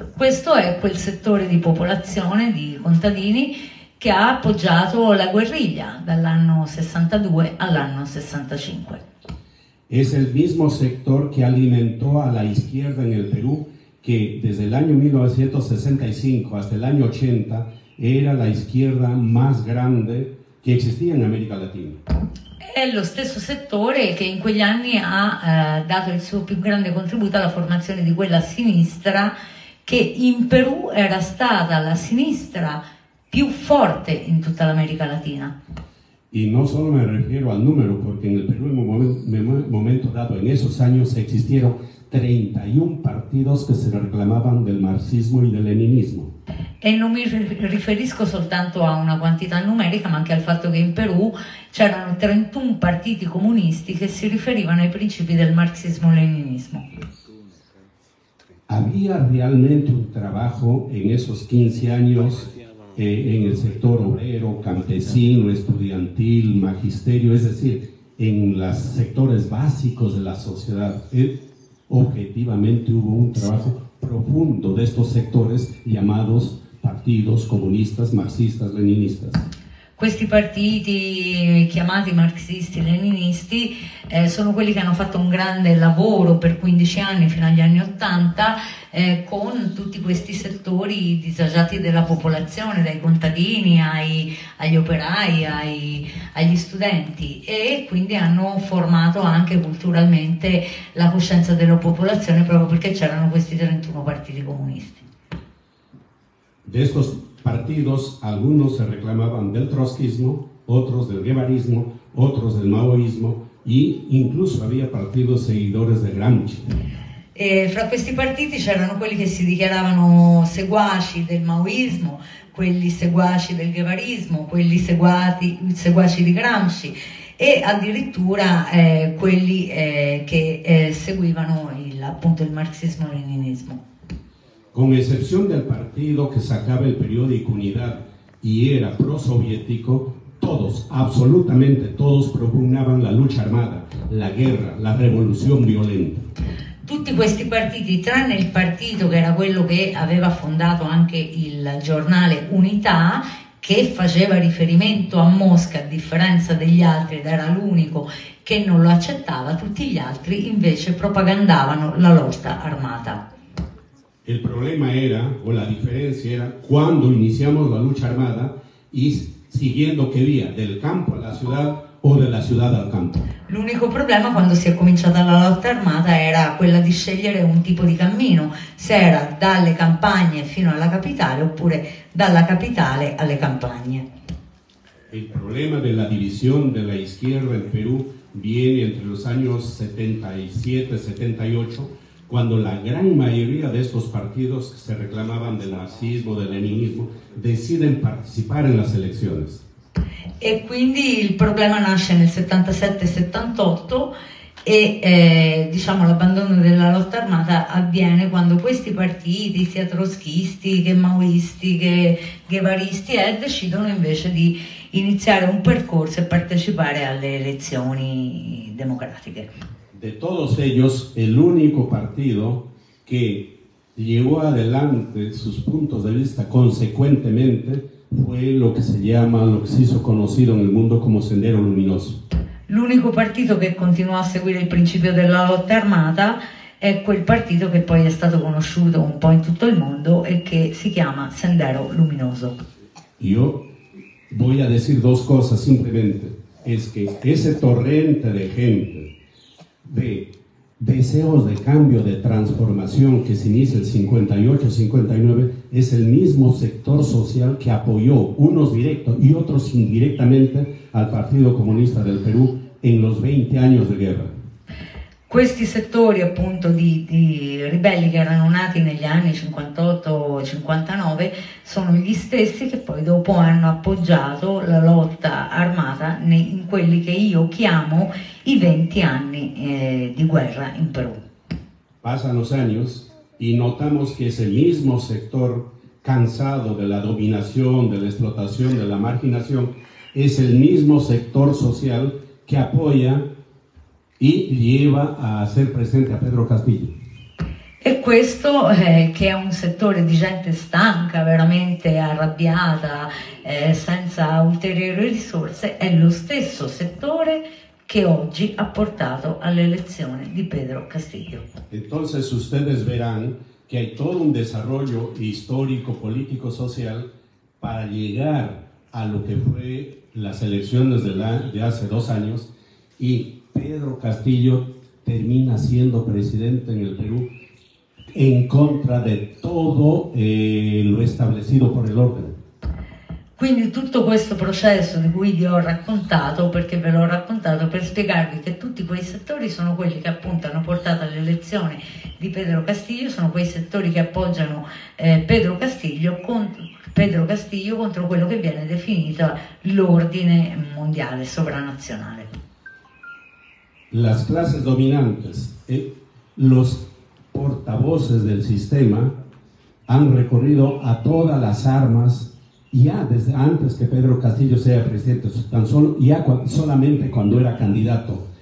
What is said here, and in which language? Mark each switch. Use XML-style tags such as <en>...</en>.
<it>Questo è quel settore di popolazione, di contadini, che ha appoggiato la guerriglia dall'anno 62 all'anno 65.</it> <es>Es el mismo sector que alimentó a la izquierda en el Perú, que desde el año 1965 hasta el año 80 era la izquierda más grande que existía en América Latina.</es> <it>È lo stesso settore che in quegli anni ha dato il suo più grande contributo alla formazione di quella sinistra che in Perù era stata la sinistra più forte in tutta l'America Latina. E non solo mi riferisco al numero, perché nel Perù in un momento dato,</it> <es>in esos años, existieron 31 partidos</es> <it>che</it> <es>se reclamaban del</es> <it>marxismo e del leninismo. E non mi riferisco soltanto a una quantità numerica, ma anche al fatto che in Perù c'erano 31 partiti comunisti che si riferivano ai principi del marxismo-leninismo.</it> <es>Había realmente un trabajo en esos 15 años en el sector obrero, campesino, estudiantil, magisterio, es decir, en los sectores básicos de la sociedad. Objetivamente hubo un trabajo profundo de estos sectores llamados partidos comunistas, marxistas, leninistas.</es> <it>questi partiti chiamati marxisti e leninisti sono quelli che hanno fatto un grande lavoro per 15 anni fino agli anni 80 con tutti questi settori disagiati della popolazione, dai contadini agli operai, agli studenti, e quindi hanno formato anche culturalmente la coscienza della popolazione proprio perché c'erano questi 31 partiti comunisti.</it> <es>Partidos, algunos se reclamaban del trotskismo, otros del guevarismo, otros del maoísmo e incluso había partidos seguidores de Gramsci.</es> <it>E fra questi partiti c'erano quelli che si dichiaravano seguaci del maoismo, quelli seguaci del guevarismo, quelli seguaci di Gramsci e addirittura quelli che seguivano appunto il marxismo-leninismo.</it> <es>Con excepción del partido que sacaba el periódico Unidad y era prosoviético, todos, absolutamente todos, propugnaban la lucha armada, la guerra, la revolución violenta.</es> <it>Tutti questi partiti, tranne il partito che era quello che aveva fondato anche il giornale Unità, che faceva riferimento a Mosca a differenza degli altri ed era l'unico che non lo accettava, tutti gli altri invece propagandavano la lotta armata.</it> <es>El problema era, o la diferencia era, cuando iniciamos la lucha armada y siguiendo qué vía, del campo a la ciudad o de la ciudad al campo.</es> <it>L'unico problema quando si è cominciata la lotta armata era quella di scegliere un tipo di cammino, se era dalle campagne fino alla capitale oppure dalla capitale alle campagne.</it> <es>El problema de la división de la izquierda en Perú viene entre los años 77-78. Cuando la gran mayoría de estos partidos que se reclamaban del marxismo, del leninismo, deciden participar en las elecciones.</es> <it>E quindi il problema nasce nel 77-78 e diciamo l'abbandono della lotta armata avviene quando questi partiti, sia trotskisti che maoisti che guevaristi, decidono invece di iniziare un percorso e partecipare alle elezioni democratiche.</it> <es>De todos ellos, el único partido que llevó adelante sus puntos de vista consecuentemente fue lo que se llama, lo que se hizo conocido en el mundo como Sendero Luminoso.</es> <it>L'unico partito che continuò a seguire il principio della lotta armata è quel partito che poi è stato conosciuto un po' in tutto il mondo e che si chiama Sendero Luminoso.</it> <es>Yo voy a decir dos cosas simplemente. Es que ese torrente de gente de deseos de cambio, de transformación que se inicia el 58-59, es el mismo sector social que apoyó unos directos y otros indirectamente al Partido Comunista del Perú en los 20 años de guerra.</es> <it>Questi settori appunto di ribelli che erano nati negli anni 58-59 sono gli stessi che poi dopo hanno appoggiato la lotta armata in quelli che io chiamo i 20 anni di guerra in Perù. Passano gli anni e notiamo che</it> <es>ese mismo</es> <it>settore, cansato della dominazione, dell'esplotazione, della marginazione, è il mismo settore sociale che appoggia e</it> <es>lleva</es> <it>a essere presente a Pedro Castillo. E questo che è un settore di gente stanca, veramente arrabbiata, senza ulteriori risorse, è lo stesso settore che oggi ha portato all'elezione di Pedro Castillo.</it> <es>Entonces ustedes verán que hay todo un desarrollo histórico, político, social para llegar a lo que fue las elecciones de hace dos años y Pedro Castillo termina siendo presidente en el Perú en contra de todo lo establecido por el orden.</es> <it>Quindi tutto questo processo di cui vi ho raccontato, perché ve l'ho raccontato per spiegarvi che tutti quei settori sono quelli che appunto hanno portato all'elezione di Pedro Castillo, sono quei settori che appoggiano Pedro Castillo contro quello che viene definito l'ordine mondiale sovranazionale.</it> <es>Las clases dominantes, los portavoces del sistema han recorrido a todas las armas ya desde antes que Pedro Castillo sea presidente, solamente cuando era candidato.</es>